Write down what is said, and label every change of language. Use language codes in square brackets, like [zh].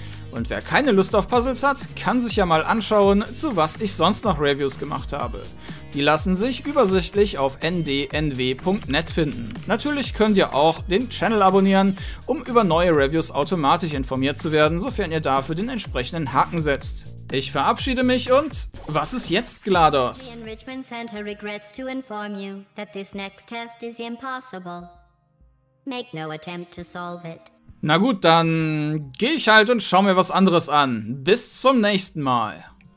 [de] Und wer keine Lust auf Puzzles hat, kann sich ja mal anschauen, zu was ich sonst noch Reviews gemacht habe. Die lassen sich übersichtlich auf ndnw.net finden. Natürlich könnt ihr auch den Channel abonnieren, um über neue Reviews automatisch informiert zu werden, sofern ihr dafür den entsprechenden Haken setzt. Ich verabschiede mich und was ist jetzt, GLaDOS? [en] The Enrichment Center regrets to inform you that this next test is impossible. Make no attempt to solve it. [de] Na gut, dann gehe ich halt und schau mir was anderes an. Bis zum nächsten Mal.